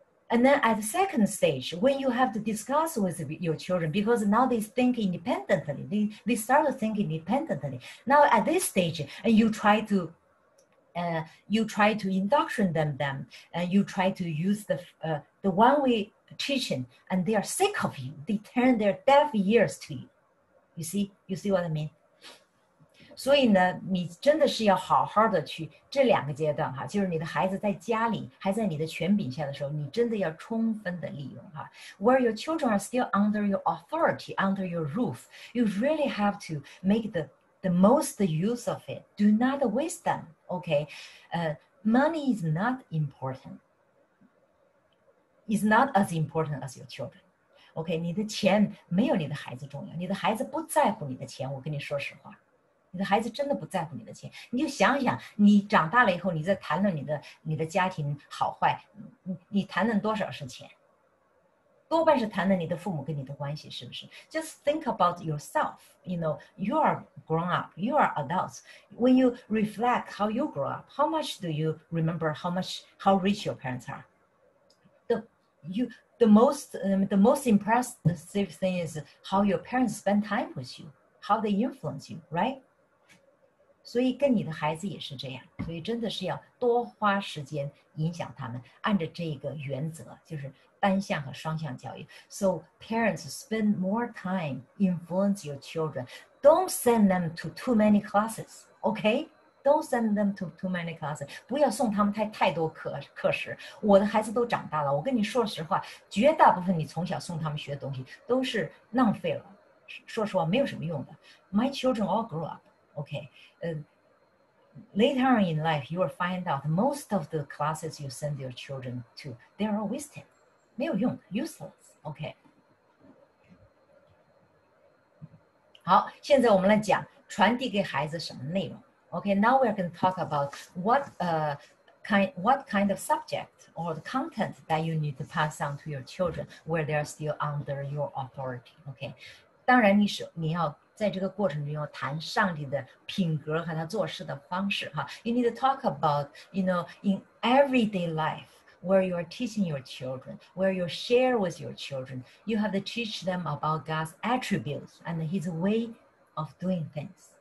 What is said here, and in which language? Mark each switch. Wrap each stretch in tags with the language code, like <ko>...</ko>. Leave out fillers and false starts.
<en>And then at the second stage, when you have to discuss with your children, because now they think independently, they start to think independently. Now at this stage, and you try to,you try to indoctrinate them, and you try to use the one-way teaching, and they are sick of you. They turn their deaf ears to you. You see what I mean?</en> <zh>所以呢，你真的是要好好的去这两个阶段哈，就是你的孩子在家里还在你的权柄下的时候，你真的要充分的利用哈。</zh> <en>Where your children are still under your authority, under your roof, you really have to make the most use of it. Do not waste them. Okay, money is not important. It's not as important as your children.</en> <zh>Okay, 你的钱没有你的孩子重要。你的孩子不在乎你的钱，我跟你说实话。你的孩子真的不在乎你的钱。你就想想，你长大了以后，你在谈论你的家庭好坏，你谈论多少是钱？多半是谈论你的父母跟你的关系，是不是 ？</zh> <en>Just think about yourself. You know, you are grown up. You are adults. When you reflect how you grow up, how much do you remember how rich your parents are? The most impressive thing is how your parents spend time with you, how they influence you, right?</en> <zh>所以跟你的孩子也是这样。所以真的是要多花时间影响他们，按着这个原则，就是。单向和双向教育。</zh> <en>So parents, spend more time influence your children. Don't send them to too many classes, okay? Don't send them to too many classes.</en> <zh>不要送他们太多课时。我的孩子都长大了，我跟你说实话，绝大部分你从小送他们学的东西都是浪费了。说实话，没有什么用的。</zh> <en>My children all grew up, okay? Later in life, you will find out most of the classes you send your children to, they are wasted.</en> <zh>没有用</zh> <en>useless,</en> <zh>okay. 好，现在我们来讲传递给孩子什么内容。</zh> <en>Okay, now we're going to talk about what kind of subject or the content that you need to pass on to your children where they're still under your authority, okay.</en> <zh>当然你要在这个过程中要谈上帝的品格和他做事的方式哈。</zh> <en>You need to talk about, you know, in everyday life,where you are teaching your children, where you share with your children, you have to teach them about God's attributes and his way of doing things.</en>